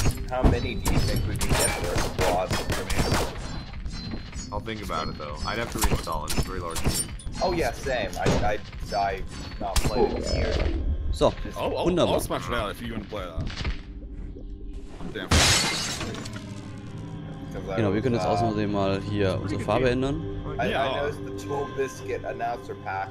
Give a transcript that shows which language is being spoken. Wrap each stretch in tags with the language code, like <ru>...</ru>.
<en>How many do you think we could get for a squad? I'll think about it though. I'd have to reinstall it. It's very large. Oh yeah, same. I've not played it here. So, I'll smash it out if you want to play that.</en> <de>Genau, wir können jetzt außerdem mal hier unsere Farbe ändern.</de> <en>I noticed the 12 biscuit announcer pack</en>